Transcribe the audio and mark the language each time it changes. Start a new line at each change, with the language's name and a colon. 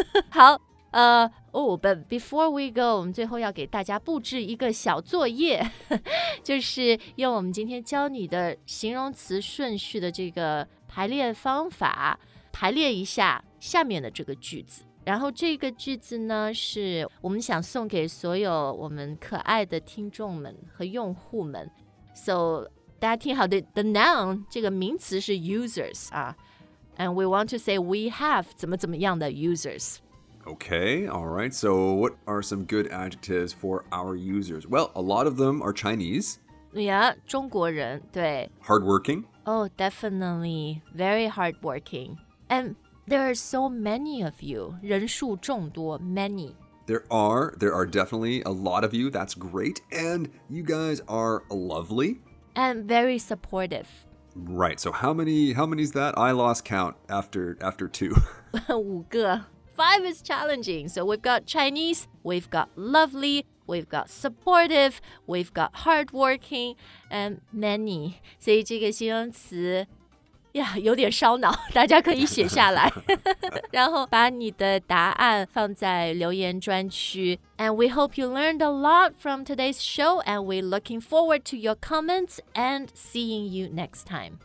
Chinese: 好，
English: but before we go,
Chinese: 我们最后要给大家布置一个小作业，就是用我们今天教你的形容词顺序的这个排列方法，排列一下下面的这个句子。然后这个句子呢，是我们想送给所有我们可爱的听众们和用户们。 So, 大家听好
English: the noun,
Chinese: 这个名词是 users, 啊。
English: And we want to say we have
Chinese: 怎么怎么样的
English: users. Okay, all right. So what are some good adjectives for our users? Well, a lot of them are Chinese.
Chinese: Yeah, 中国人对
English: Hardworking. Oh, definitely. Very hardworking. And there are so many of you.
Chinese: 人数众多 many.
English: There are definitely a lot of you. That's great. And you guys are lovely. And very supportive. Right, so how many is that? I lost count after two.
Chinese: 五个.
English: Five is challenging. So we've got Chinese, we've got lovely, we've got supportive, we've got hardworking, and many.
Chinese: 所以这个形容词呀，有点烧脑，大家可以写下来，然后把你的答案放在留言专区。
English: And we hope you learned a lot from today's show, and we're looking forward to your comments and seeing you next time.